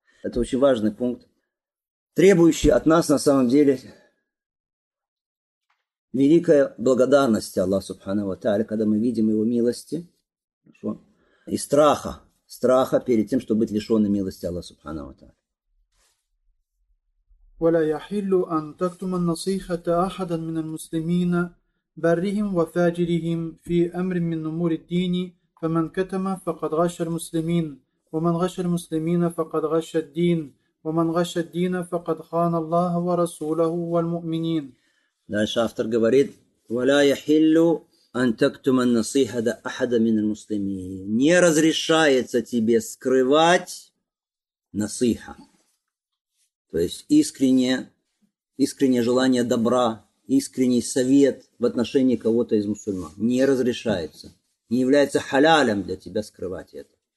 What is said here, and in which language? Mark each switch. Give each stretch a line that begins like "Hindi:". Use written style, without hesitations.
Russian: Это очень важный пункт, требующий от нас на самом деле великая благодарность Аллаху субхана ва тааля, когда мы видим его милости и страха перед тем, чтобы быть лишенным милости Аллаху субхана ва тааля.
Arabic: ولا يحل أن تكتم النصيحة أحدا من المسلمين برهم وفاجرهم في أمر من أمور الدين فمن كتم فقد غش المسلمين ومن غش المسلمين فقد غش الدين ومن غش الدين فقد خان الله ورسوله والمؤمنين. دايش أفتر
Russian: говорит
Arabic: ولا يحل أن تكتم النصيحة أحدا من المسلمين.
Russian: Не разрешается тебе скрывать насиха. То есть искреннее желание добра, искренний совет в отношении кого-то из мусульман не разрешается, не является халялем для тебя скрывать это.